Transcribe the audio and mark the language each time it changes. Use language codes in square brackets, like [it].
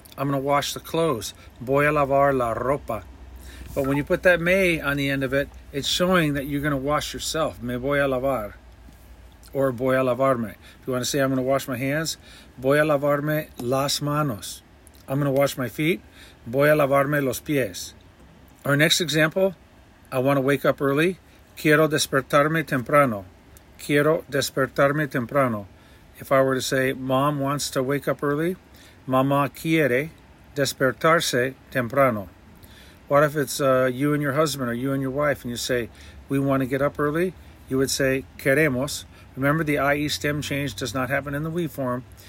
[en] I'm going to wash the clothes. [es] Voy a lavar la ropa. [en] But when you put that me on the end of it, it's showing that you're going to wash yourself. [es] Me voy a lavar. [en] Or [es] voy a lavarme. [en] If you want to say, I'm going to wash my hands, [es] voy a lavarme las manos. [en] I'm going to wash my feet. [es] Voy a lavarme los pies. [en] Our next example, I want to wake up early. [es] Quiero despertarme temprano. Quiero despertarme temprano. [en] If I were to say, mom wants to wake up early, [es] mamá quiere despertarse temprano. [en] What if it's you and your husband or you and your wife and you say, we want to get up early? You would say, queremos. Remember, the IE stem change does not happen in the we form.